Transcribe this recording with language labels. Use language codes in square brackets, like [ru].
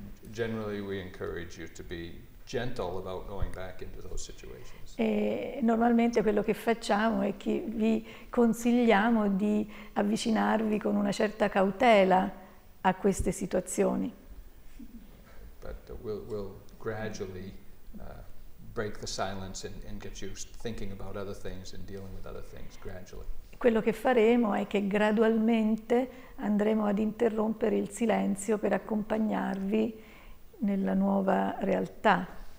[en] Generally we encourage you to be gentle about going back into those situations. [it] E normalmente quello che facciamo è che vi consigliamo di avvicinarvi con una certa cautela a queste situazioni. [en] But we'll gradually break the silence and get you thinking about other things and dealing with other things gradually. [it] Quello che faremo è che gradualmente andremo ad interrompere il silenzio per accompagnarvi nella nuova realtà.